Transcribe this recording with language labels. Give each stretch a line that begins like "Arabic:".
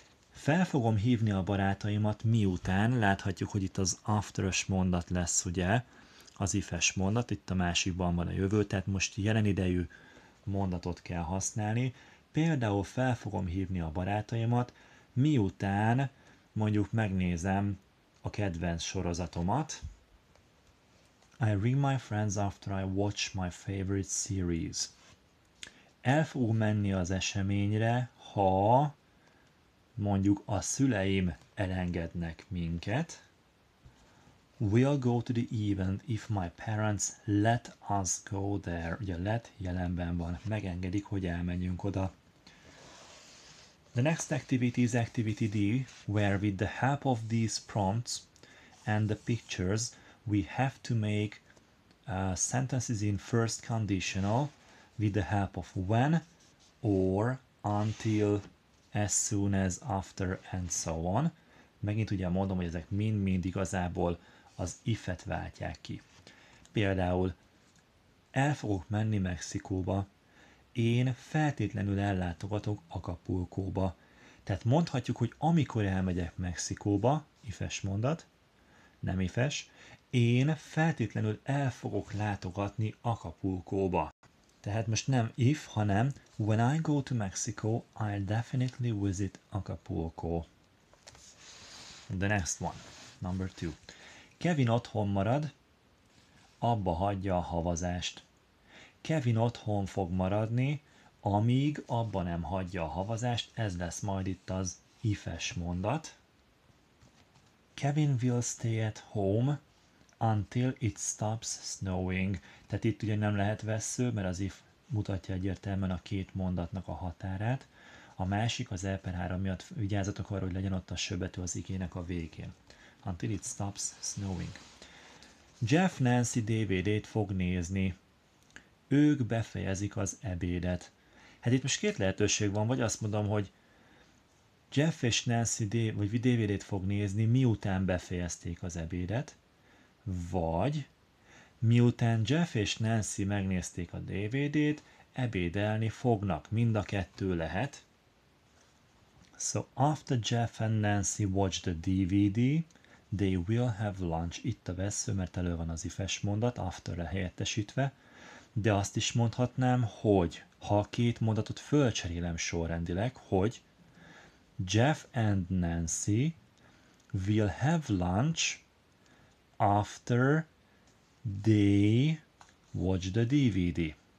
Hungarian: Fel fogom hívni a barátaimat miután, láthatjuk, hogy itt az after-ös mondat lesz, ugye, az if-es mondat, itt a másikban van a jövő, tehát most jelen idejű mondatot kell használni. Például fel fogom hívni a barátaimat, miután mondjuk megnézem a kedvenc sorozatomat.
English: I ring my friends after I watch my favorite series.
Hungarian: El fog menni az eseményre, ha mondjuk a szüleim elengednek minket.
English: We'll go to the event if my parents let us go there.
Hungarian: Ugye let jelenben van, megengedik, hogy elmenjünk oda.
English: The next activity is activity D, where with the help of these prompts and the pictures, we have to make sentences in first conditional with the help of when, or, until, as soon as, after, and so on.
Hungarian: Megint ugye mondom, hogy ezek mind-mind igazából az if-et váltják ki. Például, el fogok menni Mexikóba, én feltétlenül ellátogatok Acapulcóba. Tehát mondhatjuk, hogy amikor elmegyek Mexikóba, if-es mondat, nem if-es, én feltétlenül el fogok látogatni Acapulcóba. Tehát most nem if, hanem
English: when I go to Mexico, I definitely visit Acapulco. The next one, number two.
Hungarian: Kevin otthon marad, abba hagyja a havazást. Kevin otthon fog maradni, amíg abba nem hagyja a havazást. Ez lesz majd itt az if-es mondat.
English: Kevin will stay at home until it stops snowing.
Hungarian: Tehát itt ugye nem lehet vessző, mert az if mutatja egyértelműen a két mondatnak a határát. A másik az E/3 miatt vigyázzatok arra, hogy legyen ott a söbbető az igének a végén.
English: Until it stops snowing.
Hungarian: Jeff Nancy DVD-t fog nézni. Ők befejezik az ebédet. Hát itt most két lehetőség van, vagy azt mondom, hogy Jeff és Nancy DVD-t fog nézni, miután befejezték az ebédet, vagy miután Jeff és Nancy megnézték a DVD-t, ebédelni fognak. Mind a kettő lehet.
English: So after Jeff and Nancy watch the DVD, they will have lunch.
Hungarian: Itt a vessző, mert elő van az if-es mondat, after-re helyettesítve. De azt is mondhatnám, hogy ha a két mondatot fölcserélem sorrendileg, hogy
English: Jeff and Nancy will have lunch after they watch the DVD.